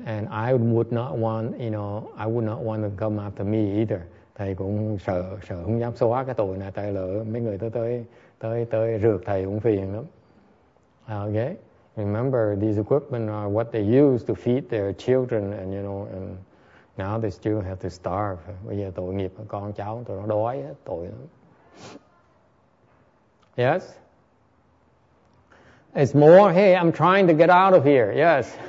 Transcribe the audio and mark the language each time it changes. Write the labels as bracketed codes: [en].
[en] And I would not want, I would not want to come after me either. [vi] Thầy cũng sợ không dám xóa cái tội này, tại lỡ mấy người tới rượt thầy cũng phiền lắm. [en] Okay, remember these equipment are what they use to feed their children, and and now they still have to starve. [vi] Bây giờ tội nghiệp con cháu tụi nó đói hết, tội lắm. [en] Yes, it's more. Hey, I'm trying to get out of here. Yes.